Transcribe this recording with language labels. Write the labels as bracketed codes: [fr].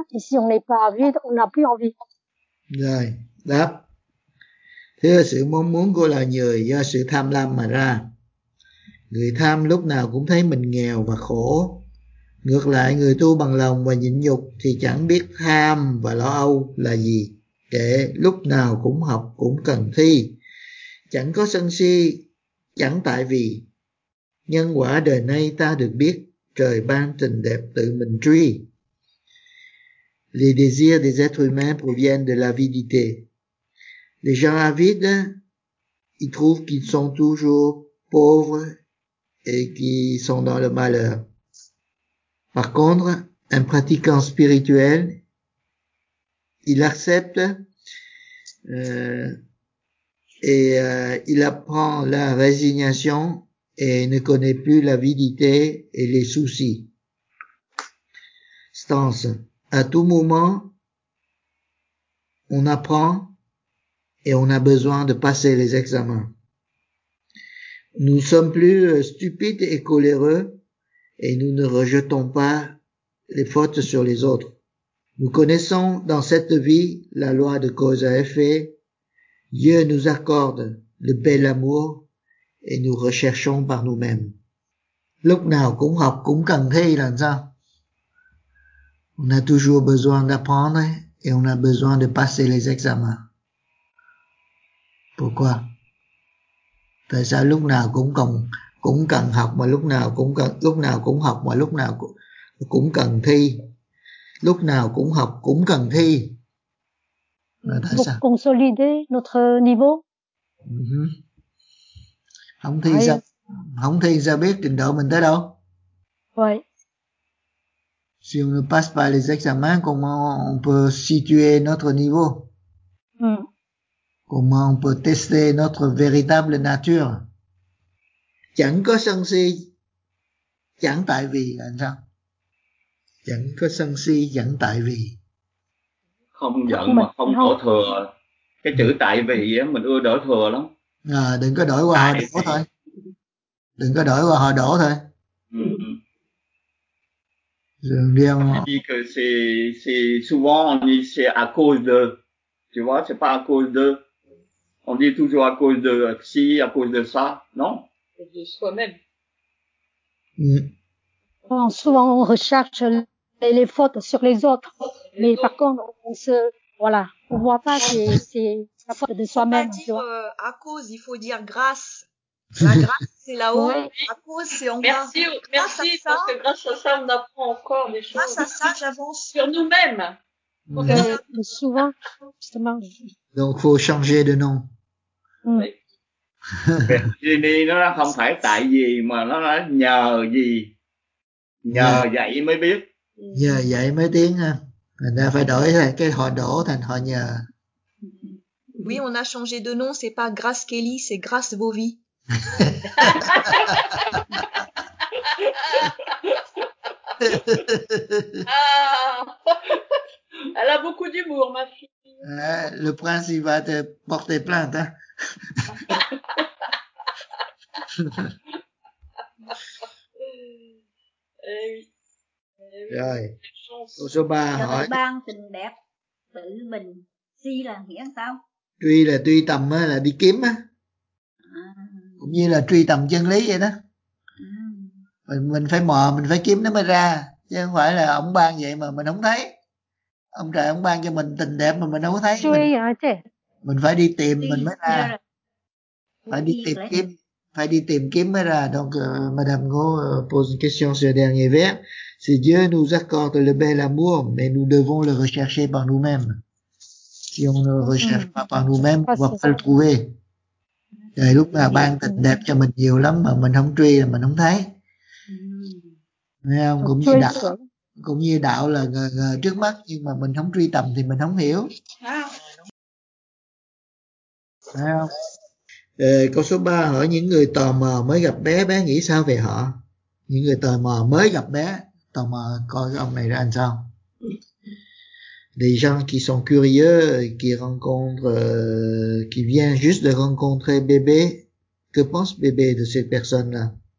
[fr] Et si on n'est pas avide, on n'a plus envie. [vi] Rồi, đáp. Thế là sự mong muốn của loài người do sự tham lam mà ra. Người tham lúc nào cũng thấy mình nghèo và khổ. Ngược lại, người tu bằng lòng và nhịn nhục thì chẳng biết tham và lo âu là gì. Kể lúc nào cũng học, cũng cần thi. Chẳng có sân si, chẳng tại vì. Nhân quả đời nay ta được biết, trời ban tình đẹp tự mình truy. [fr] Les désirs des êtres humains proviennent de l'avidité. Les gens avides, ils trouvent qu'ils sont toujours pauvres et qu'ils sont dans le malheur. Par contre, un pratiquant spirituel, il accepte il apprend la résignation et ne connaît plus l'avidité et les soucis. Stance. À tout moment, on apprend et on a besoin de passer les examens. Nous ne sommes plus stupides et coléreux, et nous ne rejetons pas les fautes sur les autres. Nous connaissons dans cette vie la loi de cause à effet. Dieu nous accorde le bel amour, et nous recherchons par nous-mêmes. [vi] Lúc nào cũng học cũng cần thi là sao? [fr] On a toujours besoin d'apprendre, et on a besoin de passer les examens. Pourquoi? [vi] Tại sao lúc nào cũng cần học mà lúc nào cũng học mà lúc nào cũng cần thi? Lúc nào cũng học cũng cần thi. Là tại sao? [fr] Pour consolider notre niveau. [vi] Không thi sao? Không thi sao biết trình độ mình tới đâu? [fr] Oui. Si on ne passe pas les examens, comment on peut situer notre niveau? Comment on peut tester notre véritable nature? [vi] Chẳng có sân si, chẳng tại vì là sao? Chẳng có sân si, chẳng tại vì. Không giận mà không đổ thừa. Cái chữ tại vì á, mình ưa đổ thừa lắm. À, đừng có đổi qua họ đổ thôi. Đừng có đổi qua họ đổ thôi. Dường điên mà. [fr] Chỉ que c'est souvent on dit c'est à cause de. Tu vois, c'est pas à cause de. On dit toujours à cause de si, à cause de ça, non? De soi-même. Souvent, on recherche les fautes sur les autres. Mais par contre, on voit pas que c'est la faute de soi-même. Il faut dire à cause, il faut dire grâce. La grâce, c'est là-haut. Ouais. À cause, c'est en bas. Merci, parce que grâce à ça, on apprend encore des choses. Grâce à ça, j'avance. Sur nous-mêmes. Mais souvent, justement. Donc, faut changer de nom. Oui. [vi] Vì nó không phải tại vì mà nó là nhờ gì. Nhờ vậy mới biết. Nhờ vậy mới tiếng ha. Mình đã phải đổi cái họ đổ thành họ nhờ. [fr] Oui, on a changé de nom, c'est pas Grace Kelly, c'est Grace Bovy. Elle a beaucoup d'humour, ma fille. Le prince, il va te porter plainte. Hein? [vi] Rồi. Câu số 3 hỏi. Ban tình đẹp tự mình si là nghĩa sao? Truy là truy tầm á, là đi kiếm á. Cũng như là truy tầm chân lý vậy đó. Mình phải mò, mình phải kiếm nó mới ra. Chứ không phải là ông ban vậy mà mình không thấy. Ông trời ông ban cho mình tình đẹp mà mình đâu có thấy. Mình phải đi tìm mình mới ra. Phải đi tìm kiếm mới ra. [fr] Donc, Madame Ngô pose une question sur le dernier vers. Si Dieu nous accorde le bel amour, mais nous devons le rechercher par nous-mêmes. Si on ne le recherche pas par nous-mêmes, on ne va pas le trouver. [vi] Đấy, lúc nào ban tình đẹp cho mình nhiều lắm mà mình không truy là mình không thấy. Không? Cũng như đạo là trước mắt nhưng mà mình không truy tầm thì mình không hiểu. Không? Câu số 3 hỏi những người tò mò mới gặp bé, bé nghĩ sao về họ? Những người tò mò mới gặp bé, tò mò coi cái ông này ra làm sao? [fr] Des gens qui sont curieux, qui rencontrent, qui viennent juste de rencontrer bébé. Que pense bébé de cette personne-là?